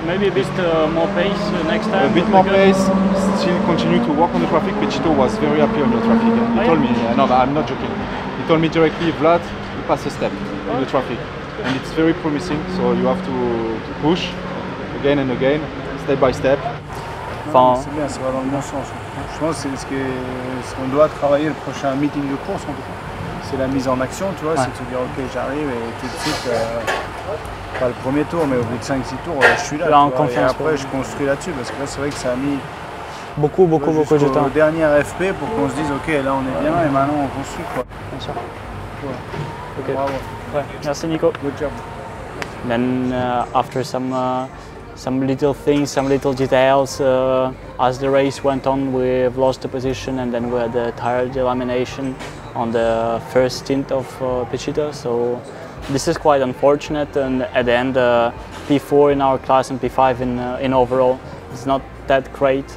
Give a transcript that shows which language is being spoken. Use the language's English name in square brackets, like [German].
[English] Maybe a bit more pace next time. A bit more pace, still continue to work on the traffic. Pechito was very happy on the traffic. He told me, no, I'm not joking. He told me directly, Vlad, you pass a step in the traffic. And it's very promising, so you have to push again and again, step by step. [French] Enfin, c'est bien, ça va dans le bon sens. Je pense que ce qu'on doit travailler le prochain meeting de course, en tout cas. C'est la mise en action, tu vois, ouais. C'est de se dire ok, j'arrive et tout de suite, pas le premier tour, mais au bout de 5-6 tours, je suis là. Là, en confiance. Et après, je construis là-dessus, parce que là, c'est vrai que ça a mis beaucoup de temps. Au dernier FP pour qu'on se dise ok, là, on est bien et maintenant, on construit, quoi. Bien sûr. Ouais. Ok. Bravo. Ouais, merci Nico. [English] Good job. Then after some little things, some little details, as the race went on, we've lost the position and then we had the tire delamination on the first stint of Pechito. So this is quite unfortunate. And at the end, P4 in our class and P5 in overall, it's not that great.